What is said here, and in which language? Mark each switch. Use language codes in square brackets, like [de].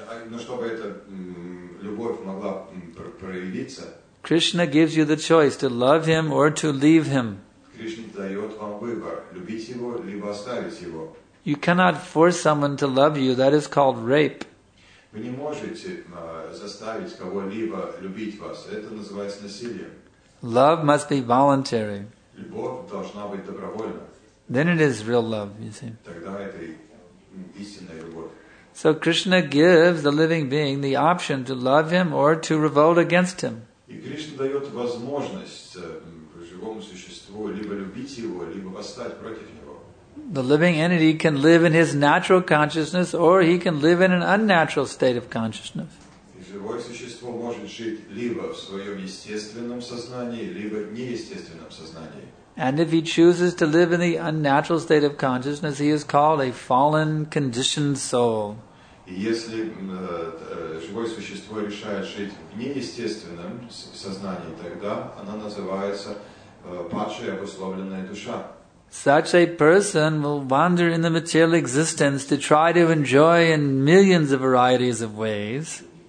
[ru] но чтобы эта любовь могла проявиться, [en] Krishna gives you the choice to love Him or to leave Him. [ru] Кришна дает вам выбор – любить Его, либо оставить Его. [en] You cannot force someone to love you. That is called rape. [ru] Вы не можете заставить кого-либо любить вас. Это называется насилием. [en] Love must be voluntary. [ru] Любовь должна быть добровольна. [en] Then it is real love, you see. [ru] Тогда это истинная любовь. [en] So Krishna gives the living being the option to love Him or to revolt against Him. [ru] И Кришна дает возможность живому существу либо любить Его, либо восстать против Него. [en] The living entity can live in his natural consciousness or he can live in an unnatural state of consciousness. [ru] Живое существо может жить либо в своем естественном сознании, либо в неестественном сознании. [en] And if he chooses to live in the unnatural state of consciousness, he is called a fallen, conditioned soul. [ru] Если живое существо решает жить в неестественном сознании, тогда она называется падшая обусловленная душа. [en] Such a person will wander in the material existence to try to enjoy in millions of varieties of ways.